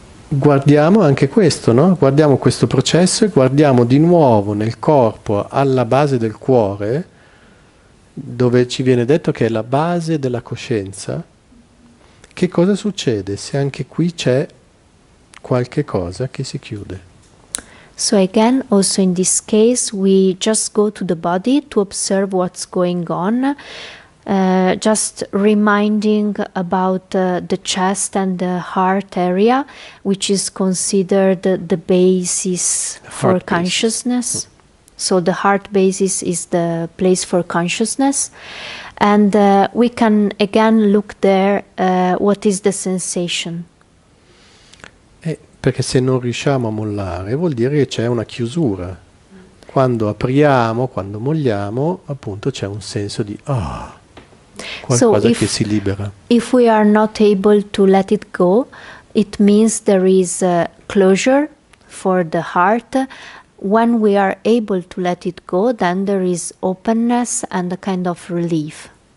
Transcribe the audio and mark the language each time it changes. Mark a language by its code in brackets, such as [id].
[it] Guardiamo anche questo, no? Guardiamo questo processo e guardiamo di nuovo nel corpo, alla base del cuore, dove ci viene detto che è la base della coscienza. Che cosa succede se anche qui c'è qualche cosa che si chiude? [en] So again, also in this case, we just go to the body to observe what's going on, just reminding about the chest and the heart area, which is considered the basis for consciousness. So the heart basis is the place for consciousness. And we can again look there, what is the sensation. [it] Perché se non riusciamo a mollare, vuol dire che c'è una chiusura. Quando apriamo, quando molliamo, appunto c'è un senso di ah, qualcosa che si libera. [en] If we are not able to let it go, it means there is a closure for the heart. When we are able to let it go, then there is openness and a kind of relief.